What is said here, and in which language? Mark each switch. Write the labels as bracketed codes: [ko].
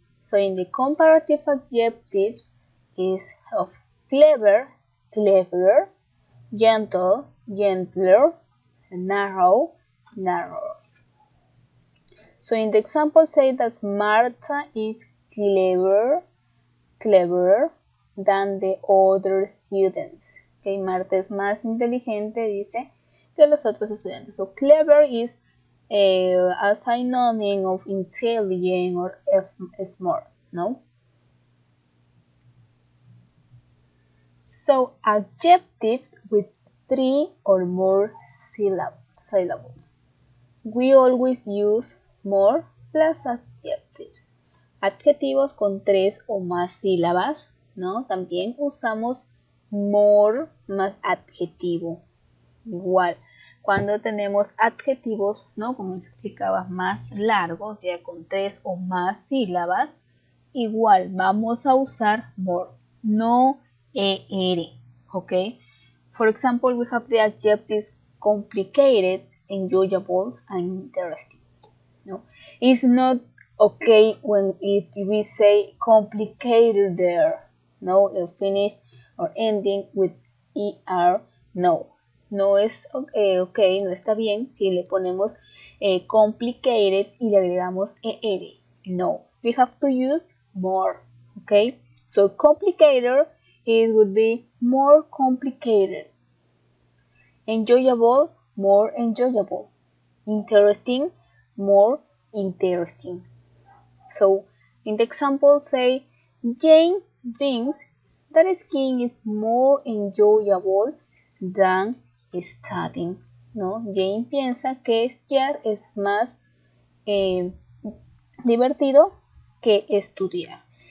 [en] So, in the comparative adjectives is of clever, cleverer, gentle, gentler, narrow. So in the example, say that Marta is cleverer than the other students. [es] Okay, Marta es más inteligente, dice, que los otros estudiantes. [en] So clever is a synonym of intelligent or smart, no? So adjectives with three or more syllables. We always use more plus adjectives. [es] Adjetivos con tres o más sílabas, ¿no? También usamos more más adjetivo. Igual, cuando tenemos adjetivos, ¿no? Como explicaba, más largos, o sea, con tres o más sílabas, igual vamos a usar more, no er, ¿ok? [en] For example, we have the adjectives complicated, enjoyable, and interesting. No, it's not okay when we say complicated there. No, it finish or ending with er. [es] No, no es okay, no está bien si le ponemos complicated y le agregamos er. No, [en] we have to use more. [es] Okay? [en] So complicated, it would be more complicated. Enjoyable, more enjoyable. Interesting, more interesting. So in the example, say Jane thinks that skiing is more enjoyable than studying. [es] No, Jane piensa que esquiar es más divertido que estudiar.